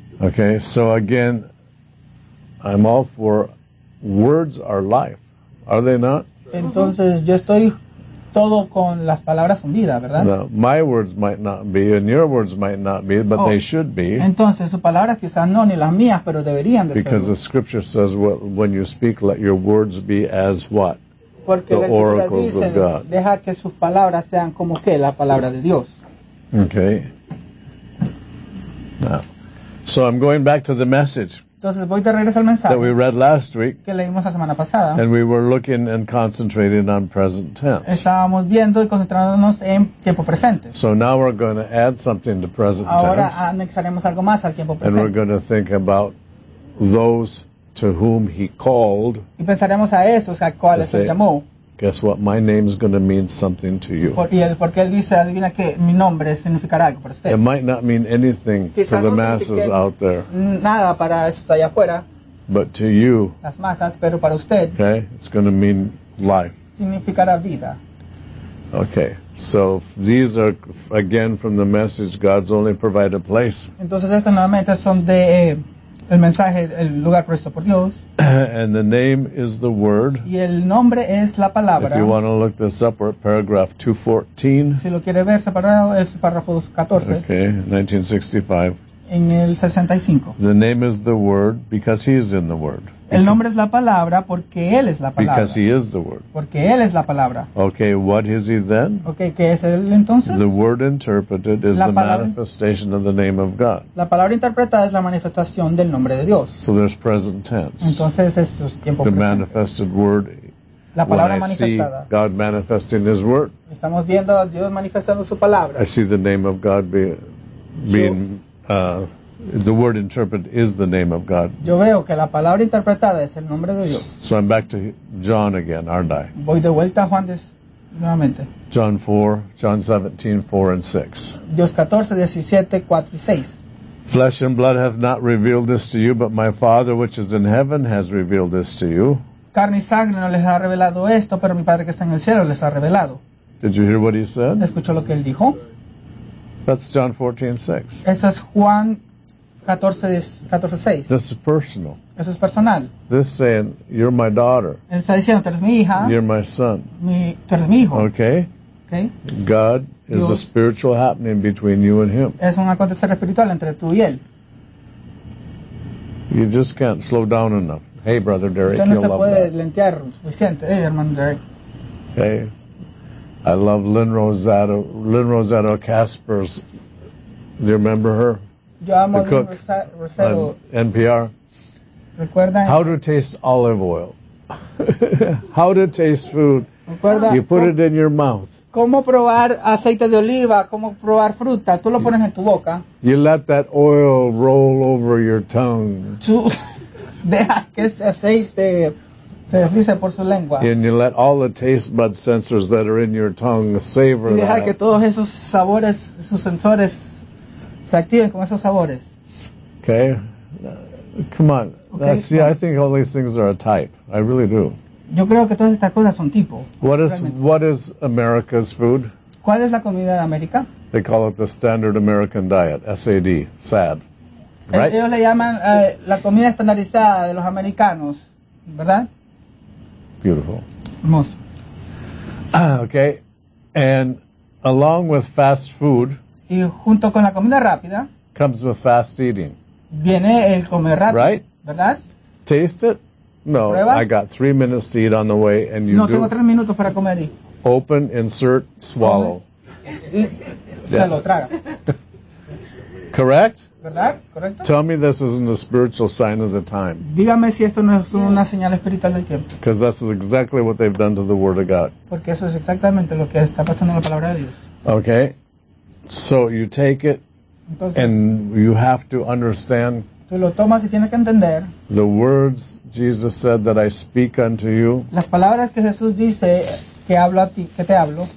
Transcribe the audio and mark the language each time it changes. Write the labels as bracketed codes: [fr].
[en] Okay, so again, I'm all for words are life. Are they not? [es] Entonces, yo estoy todo con las palabras son vida, ¿verdad? [en] No, my words might not be, and your words might not be, but they should be. [es] Entonces, sus palabras quizás no, ni las mías, pero deberían de ser. [en] Because the scripture says, when you speak, let your words be as what? [es] Porque [en] the oracles [es] dicen, [en] of God. [es] Deja que sus palabras sean como que la palabra de Dios. [en] Okay. Now, so I'm going back to the message. [es] Entonces voy de regreso al mensaje [en] that we read last week, [es] que leímos la semana pasada, [en] and we were looking and concentrating on present tense. [es] Estábamos viendo y concentrándonos en tiempo presente. [en] So now we're going to add something to present tense. [es] Ahora anexaremos algo más al tiempo presente. [en] And we're going to think about those to whom he called. [es] Y pensaremos a esos a cuales él llamó. [en] Guess what? My name is going to mean something to you. [es] Porque él dice, adivina que mi nombre significará algo para usted. [en] It might not mean anything to the masses out there. [es] Nada para esos allá afuera. [en] But to you. [es] Las masas, pero para usted. [en] Okay, it's going to mean life. [es] Significará vida. [en] Okay, so these are again from the message. God's only provided a place. [es] Entonces estas nuevamente son de el mensaje, el lugar puesto por Dios. [en] And the name is the word. [es] Y el nombre es la palabra. [en] If you want to look this up, we're at paragraph 214. [es] Si lo quiere ver separado, es párrafo 214. [en] Okay, 1965. [es] en el 65. [en] The name is the Word because He is in the Word. [es] El nombre es la palabra porque Él es la palabra. [en] Because He is the Word. [es] Porque Él es la palabra. [en] Okay, what is He then? [es] Okay, ¿qué es Él entonces? [en] The Word interpreted is the manifestation of the name of God. [es] La palabra interpretada es la manifestación del nombre de Dios. [en] So there's present tense. [es] Entonces es tiempo presente. [en] The manifested Word. [es] La palabra [en] when I see God manifesting His Word, [es] estamos viendo a Dios manifestando su palabra. [en] I see the name of God being the Word interpreted is the name of God. [es] Yo veo que la palabra interpretada es el nombre de Dios. [en] So I'm back to John again, aren't I? [es] Voy de vuelta a Juan nuevamente. [en] John 4, John 17, 4 and 6. [es] Dios 14, 17, 4 y 6. [en] Flesh and blood hath not revealed this to you, but my Father which is in heaven has revealed this to you. [es] Carne y sangre no les ha revelado esto, pero mi Padre que está en el cielo les ha revelado. [en] Did you hear what he said? [es] ¿Escuchó lo que él dijo? [en] That's John 14, 6. [es] Eso es Juan 14, [en] 6. This is personal. [es] Eso es personal. [en] This saying, you're my daughter. [es] Él está diciendo, tú eres mi hija. [en] You're my son. [es] Tú eres mi hijo. [en] Okay. Okay. God is a spiritual happening between you and him. [es] Es un acontecer espiritual entre tú y él. [en] You just can't slow down enough. Hey, brother Derek, [es] usted no [en] you'll [es] se puede [en] love that. [es] Lentear suficiente. Hey, hermano Derek. [en] Okay. I love Lynn Rosado Caspers. Do you remember her? [es] Yo amo [en] the cook [es] Rosado. [en] NPR. [es] ¿Recuerda? [en] How to taste olive oil. How to taste food. [es] ¿Recuerda? [en] You put it in your mouth. [es] ¿Cómo probar aceite de oliva? ¿Cómo probar fruta? Tú lo pones en tu boca. [en] You let that oil roll over your tongue. [es] Tú deja que ese aceite se deslice por su lengua. [en] And you let all the taste bud sensors that are in your tongue savor that. [es] Y deja [en] that. [es] Que todos esos sabores, esos sensores se activen con esos sabores. [en] Okay. Come on. Okay. See, I think all these things are a type. I really do. [es] Yo creo que todas estas cosas son tipo. [en] What is America's food? [es] ¿Cuál es la comida de América? [en] They call it the standard American diet, SAD, SAD. Right? [es] Ellos le llaman la comida estandarizada de los americanos, ¿verdad? [en] Beautiful. [es] Hermoso. [en] Okay. And along with fast food. [es] Y junto con la comida rápida. [en] Comes with fast eating. [es] Viene el comer rápido. [en] Right? [es] ¿Verdad? [en] Taste it. No, [es] ¿prueba? [en] I got 3 minutes to eat on the way and you [es] no, [en] do. [es] No, tengo 3 minutos para comer y. [en] Open, insert, swallow. [es] Y yeah. Se lo traga. [en] Correct? [es] ¿Verdad? ¿Correcto? [en] Tell me this isn't a spiritual sign of the time. [es] Dígame si esto no es una señal espiritual del tiempo. [en] Because this is exactly what they've done to the Word of God. [es] Porque eso es exactamente lo que está pasando en la palabra de Dios. [en] Okay. So you take it. [es] Entonces, [en] and you have to understand. [es] Tú lo tomas y tienes que entender. [en] The words Jesus said that I speak unto you. [es] Las palabras que Jesús dice que hablo a ti, que te hablo.